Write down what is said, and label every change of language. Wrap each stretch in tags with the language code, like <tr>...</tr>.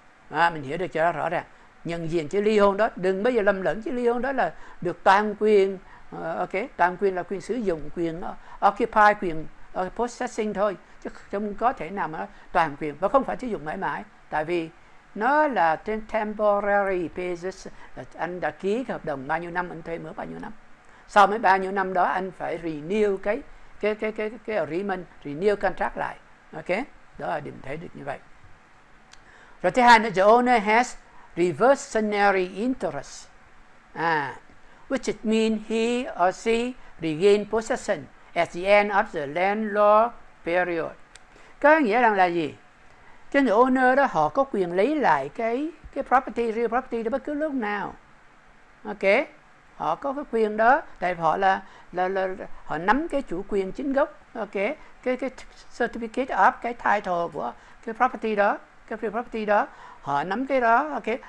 <vi>À, mình hiểu được cho rõ ràng. Nhận diện chữ ly hôn đó, đừng bây giờ lầm lẫn chữ ly hôn đó là được toàn quyền, ok, toàn quyền là quyền sử dụng, quyền occupy, quyền possessing thôi, chứ không có thể nào mà toàn quyền, và không phải sử dụng mãi mãi, tại vì nó là trên temporary basis, anh đã ký cái hợp đồng bao nhiêu năm, anh thuê mướn bao nhiêu năm, sau mấy bao nhiêu năm đó anh phải renew cái agreement, renew contract lại, ok, đó là điểm thấy được như vậy. Rồi thứ hai là</vi> <en>the owner has reversionary interest, which it means he or she regain possession at the end of the landlord period.</en> <vi>Có nghĩa rằng là gì? Cái người owner đó họ có quyền lấy lại cái property, real property đó bất cứ lúc nào. Ok? Họ có cái quyền đó, tại vì họ là họ nắm cái chủ quyền chính gốc, ok? Cái certificate of cái title của cái property đó, cái real property đó, họ nắm cái đó, ok?</vi>